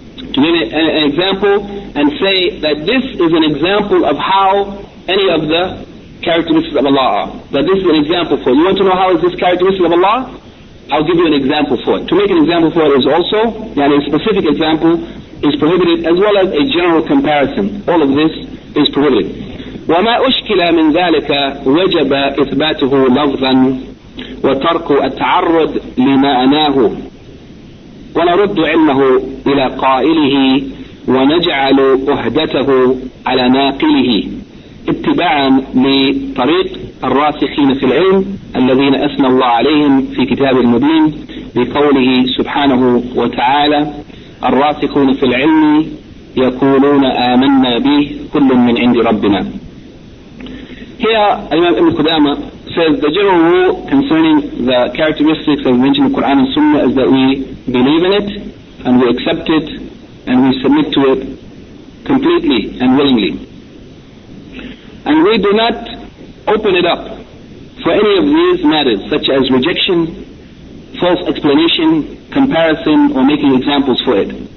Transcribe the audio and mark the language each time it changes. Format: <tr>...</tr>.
<en>To give an example and say that this is an example of how any of the characteristics of Allah are. That this is an example for it. You want to know how is this characteristic of Allah? I'll give you an example for it. To make an example for it is also, and a specific example is prohibited, as well as a general comparison. All of this is prohibited.</en> <ar>وما أشكل من ذلك وجب إثباته لفظا وترك التعرض لمعناه ونرد علمه إلى قائله ونجعل أهدته على ناقله اتباعا لطريق الراسخين في العلم الذين أثنى الله عليهم في كتاب المبين بقوله سبحانه وتعالى الراسخون في العلم يقولون آمنا به كل من عند ربنا.</ar> <en>Here, Imam Ibn Qudama says the general rule concerning the characteristics that we mentioned in Quran and Sunnah is that we believe in it, and we accept it, and we submit to it completely and willingly. And we do not open it up for any of these matters, such as rejection, false explanation, comparison, or making examples for it.</en>